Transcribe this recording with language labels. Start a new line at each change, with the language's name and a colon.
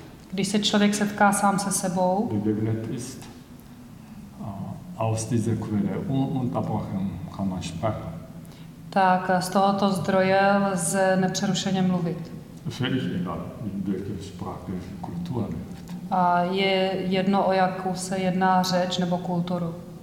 Czech: Když se člověk setká sám se sebou.
German: Begegnet ist aus dieser Quelle ununterbrochen kann man sprechen.
Czech: Tak z tohoto zdroje lze nepřerušeně mluvit.
German: Völlig egal, in welcher Sprache Kultur lebt.
Czech: A je jedno, o jakou se jedná řeč nebo kulturu.